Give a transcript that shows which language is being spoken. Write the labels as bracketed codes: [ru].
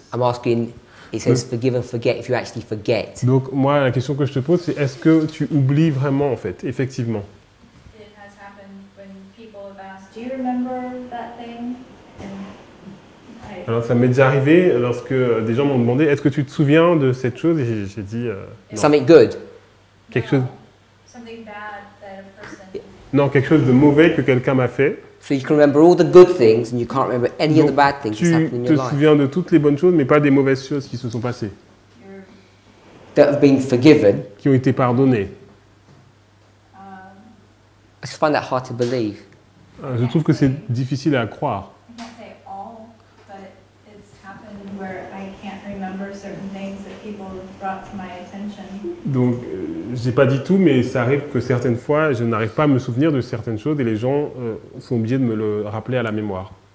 [en] I'm asking, it says forgive and forget if you actually forget. [fr] Donc moi la question que je te pose c'est est-ce que tu oublies vraiment en fait, effectivement? [en] It has happened when people have asked, do you remember that thing? [fr] Alors ça m'est déjà arrivé lorsque des gens m'ont demandé est-ce que tu te souviens de cette chose? Et j'ai dit non. [en] Something good. [fr] Quelque chose. [en] Something bad that a person. [fr] Non, quelque chose de mauvais que quelqu'un m'a fait. [en] So you can remember all the good things and you can't remember any of the bad things that happened in your life. [fr] Tu te souviens de toutes les bonnes choses mais pas des mauvaises choses qui se sont passées. [en] That have been forgiven. [fr] Qui ont été pardonnées. [en] I just find that hard to believe. [fr] Je trouve que c'est difficile à croire. [en] I can't say all, but it's happened where I can't remember certain things that people have brought to my attention. [fr] Donc je n'ai pas dit tout, mais ça arrive que certaines fois, je n'arrive pas à me souvenir de certaines choses et les gens sont obligés de me le rappeler à la mémoire.